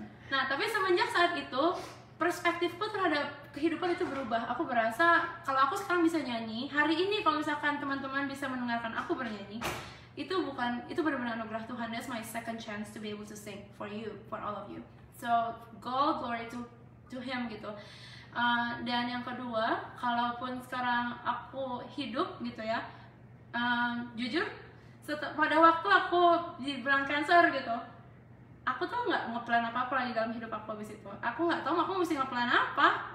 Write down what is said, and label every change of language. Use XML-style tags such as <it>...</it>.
<id>Nah, tapi semenjak saat itu, perspektifku terhadap kehidupan itu berubah. Aku berasa, kalau aku sekarang bisa nyanyi, hari ini kalau misalkan teman-teman bisa mendengarkan aku bernyanyi, itu bukan, itu benar-benar anugerah Tuhan.</id> <en>That's my second chance to be able to sing for you, for all of you. So, God, glory to Him, gitu.</en> <id>Dan yang kedua, kalaupun sekarang aku hidup, gitu ya, jujur, pada waktu aku dibilang cancer, gitu, aku tuh nggak nge-plan apa-apa lagi dalam hidup aku abis itu. Aku nggak tahu aku mesti nge-plan apa.</id>